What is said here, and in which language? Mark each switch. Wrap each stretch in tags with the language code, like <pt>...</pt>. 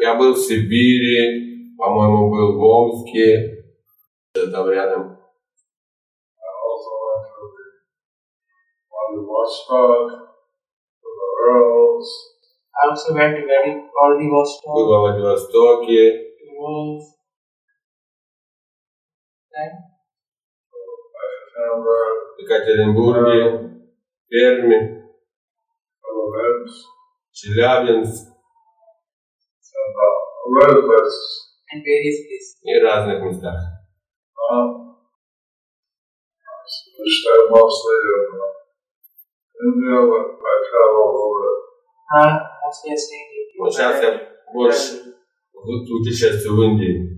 <ru>Я был в Сибири, по-моему, был в Омске. Там рядом.</ru> <en>I also went to the Vladivostok, to the Urals. I also went to Vladivostok.</en> <ru>Был в Владивостоке.</ru> <en>Urals. Then.</en> <ru>В Екатеринбурге, Перми, Челябинск,</ru> <en>and various places.</en> <ru>И разных местах.</ru> <en>I stay mostly in India, but I travel over it. Mostly I stay in India.</en> <ru>Вот сейчас я больше путешествую в Индии.</ru>